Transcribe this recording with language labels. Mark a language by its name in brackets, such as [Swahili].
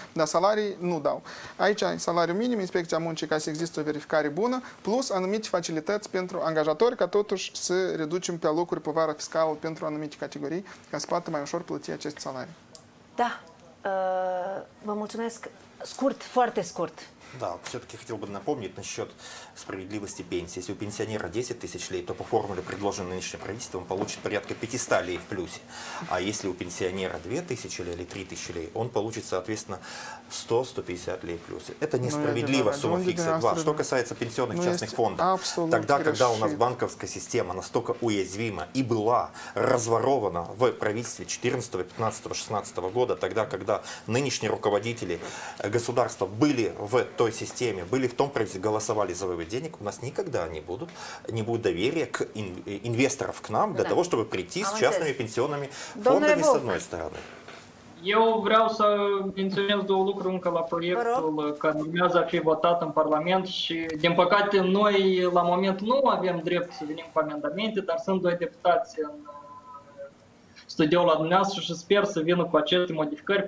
[Romanian] Dar salarii nu dau. Aici ai salariul minim, inspecția muncii ca să există o verificare bună, plus anumite facilități pentru angajatori ca totuși să reducem pe locuri povara fiscală pentru anumite categorii, ca să poată mai ușor plăti acest salariu. Da. Vă mulțumesc. Scurt, foarte scurt. [Russian] Да, все-таки хотел бы напомнить насчет справедливости пенсии. Если у пенсионера 10 тысяч лей, то по формуле, предложенной нынешним правительством, он получит порядка 500 лей в плюсе. А если у пенсионера 2 тысячи лей или 3 тысячи лей, он получит, соответственно, 100-150 лей в плюсе. Это несправедливо, сумма фикса 2. Что касается пенсионных частных фондов, тогда, когда у нас банковская система настолько уязвима и была разворована в правительстве 14, 15, 16 года, тогда, когда нынешние руководители государства были в той системе, были в том правительстве, голосовали за вывод денег, у нас никогда не будет доверия к инвесторов к нам, для того, чтобы прийти с частными пенсионными фондами с одной стороны. [Romanian] Eu vreau să menționez două lucruri încă la proiectul care urmează a fi votat în Parlament și, din păcate, noi la moment nu avem drept să venim cu amendamente, dar sunt doi deputați în studioul la dumneavoastră și sper să vină cu aceste modificări.